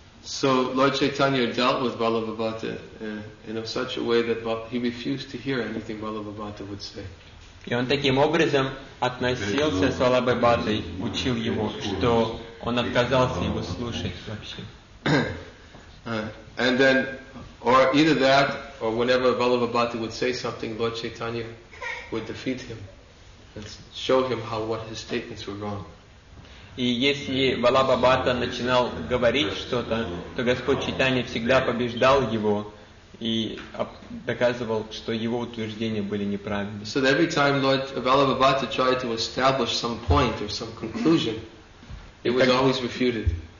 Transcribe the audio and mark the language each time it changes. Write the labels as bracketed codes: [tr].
[en] So Lord Chaitanya dealt with Valabhavata in such a way that he refused to hear anything Valabhavata would say. [ru] И он таким образом относился с Валабхавой, учил его, что он отказался его слушать вообще. [en] And then, or either that, or whenever Valabhavata would say something, Lord Chaitanya would defeat him and show him how what his statements were wrong. [ru] И если Валабхавата начинал говорить что-то, то Господь Чайтанья всегда побеждал его и доказывал, что его утверждения были неправильны. [en] So every time Lord Vallabhabhata tried to establish some point or some conclusion, it was always refuted.